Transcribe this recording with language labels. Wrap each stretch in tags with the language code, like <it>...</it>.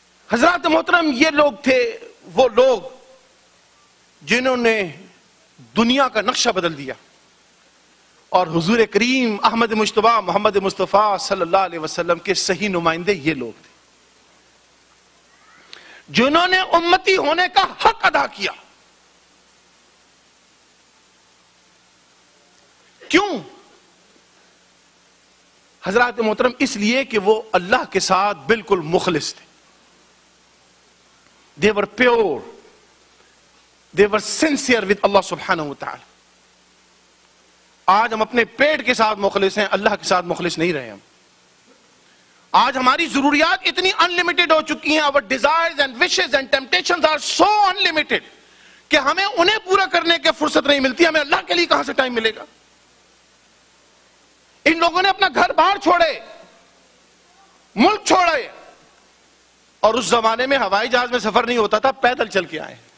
<ur>حضرات محترم یہ لوگ تھے وہ لوگ جنہوں نے دنیا کا نقشہ بدل دیا, اور حضور کریم احمد مشتبہ محمد مصطفیٰ صلی اللہ علیہ وسلم کے صحیح نمائندے یہ لوگ تھے جنہوں نے امتی ہونے کا حق ادا کیا. کیوں حضرات محترم؟ اس لیے کہ وہ اللہ کے ساتھ بالکل مخلص تھے.</ur> <en>They were pure, they were sincere with اللہ سبحانہ و تعالی.</en> <ur>آج ہم اپنے پیٹ کے ساتھ مخلص ہیں, اللہ کے ساتھ مخلص نہیں رہے ہم. آج ہماری ضروریات اتنی انلمیٹڈ ہو چکی ہیں, اور</ur> <en>desires and wishes and temptations are so unlimited</en> <ur>کہ ہمیں انہیں پورا کرنے کی فرصت نہیں ملتی. ہمیں اللہ کے لیے کہاں سے ٹائم ملے گا؟ ان لوگوں نے اپنا گھر باہر چھوڑے, ملک چھوڑے, اور اس زمانے میں ہوائی جہاز میں سفر نہیں ہوتا تھا, پیدل چل کے آئے.</ur>